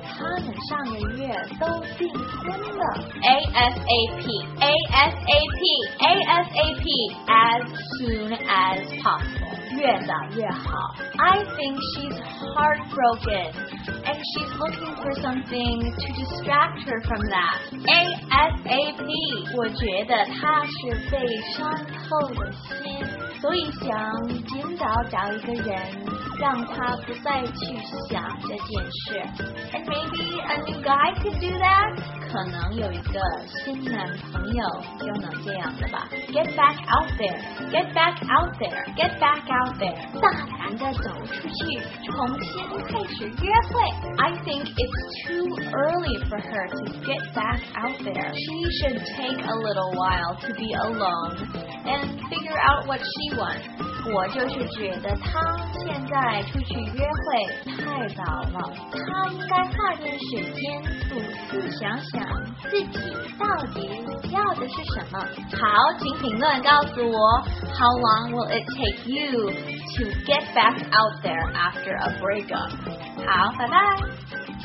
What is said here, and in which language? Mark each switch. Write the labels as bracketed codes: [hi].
[zh] 他们上个月都订婚了。 [en] ASAP, ASAP, ASAP, as soon as possible. [zh] 越早越好。 [en] I think she's heartbroken, and she's looking for something to distract her from that. ASAP. [zh] 我觉得她是被伤透了心，所以想尽早找一个人，让她不再去想这件事。 [en] And maybe a new guy could do that. [zh] 可能有一个新男朋友就能这样的吧。 [en] Get back out there, get back out there, get back out there. [zh] 大胆地走出去，重新开始约会。 [en] I think it's too early for her to get back out there. She should take a little while to be alone and figure out what she wants. [zh] 我就是觉得他现在出去约会太早了，他应该花点时间独自想想自己到底要的是什么。好，请评论告诉我 [en] How long will it take you to get back out there after a breakup? [zh] 好，拜拜。